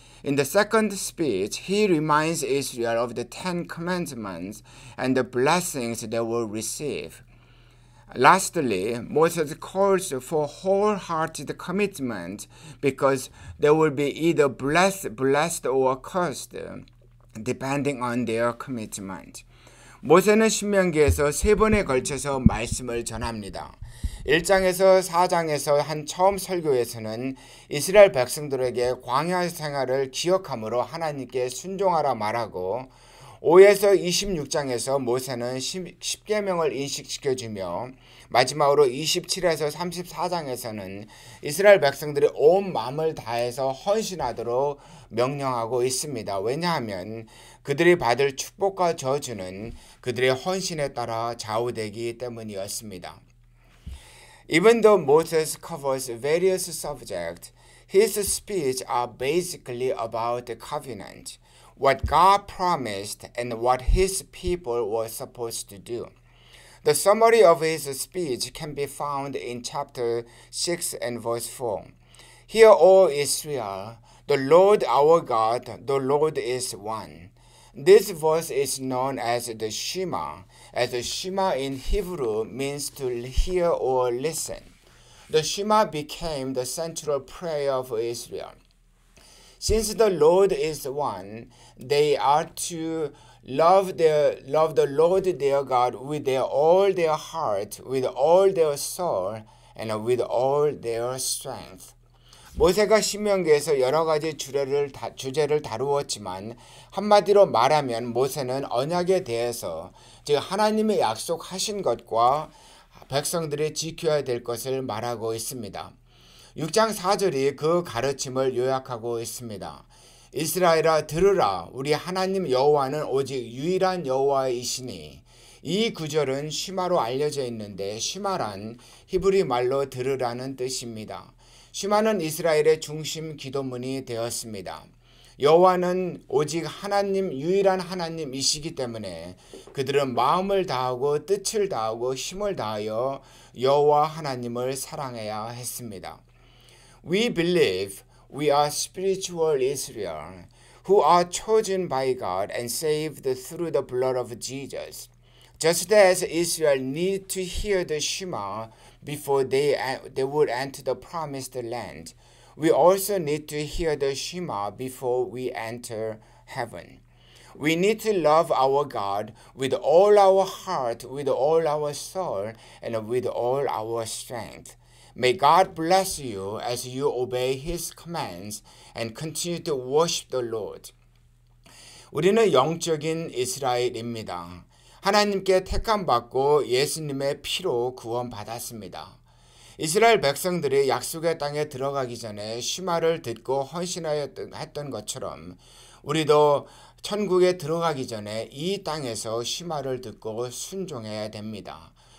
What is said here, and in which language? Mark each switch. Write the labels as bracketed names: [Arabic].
[English] In the second speech, he reminds Israel of the Ten Commandments and the blessings they will receive. Lastly, Moses calls for wholehearted commitment because they will be either blessed or cursed, depending on their commitment. [Korean] 모세는 신명기에서 세 번에 걸쳐서 말씀을 전합니다. 1장에서 4장에서 한 처음 설교에서는 이스라엘 백성들에게 광야 생활을 기억함으로 하나님께 순종하라 말하고 5에서 26장에서 모세는 십계명을 인식시켜주며 마지막으로 27에서 34장에서는 이스라엘 백성들이 온 마음을 다해서 헌신하도록 명령하고 있습니다. 왜냐하면 그들이 받을 축복과 저주는 그들의 헌신에 따라 좌우되기 때문이었습니다. [English] Even though Moses covers various subjects, his speech are basically about the covenant, what God promised and what his people were supposed to do. The summary of his speech can be found in chapter 6 and verse 4. Hear, O Israel, the Lord our God, the Lord is one. This verse is known as the Shema, as the Shema in Hebrew means to hear or listen. The Shema became the central prayer of Israel. Since the Lord is one, they are to love the Lord their God with all their heart, with all their soul, and with all their strength. [Korean] 모세가 신명기에서 여러 가지 주제를 다루었지만 한마디로 말하면 모세는 언약에 대해서 즉 하나님의 약속하신 것과 백성들이 지켜야 될 것을 말하고 있습니다. 6장 4절이 그 가르침을 요약하고 있습니다. 이스라엘아 들으라 우리 하나님 여호와는 오직 유일한 여호와이시니 이 구절은 쉬마로 알려져 있는데 쉬마란 히브리 말로 들으라는 뜻입니다. 쉬마는 이스라엘의 중심 기도문이 되었습니다. 여호와는 오직 하나님 유일한 하나님이시기 때문에 그들은 마음을 다하고 뜻을 다하고 힘을 다하여 여호와 하나님을 사랑해야 했습니다. [English] We believe we are spiritual Israel who are chosen by God and saved through the blood of Jesus. Just as Israel need to hear the Shema before they would enter the promised land, we also need to hear the Shema before we enter heaven. We need to love our God with all our heart, with all our soul, and with all our strength. May God bless you as you obey His commands and continue to worship the Lord. [Korean] 우리는 영적인 이스라엘입니다. 하나님께 택함받고 예수님의 피로 구원받았습니다. 이스라엘 백성들이 약속의 땅에 들어가기 전에 쉬마를 듣고 헌신했던 것처럼 우리도 천국에 들어가기 전에 이 땅에서 쉬마를 듣고 순종해야 됩니다.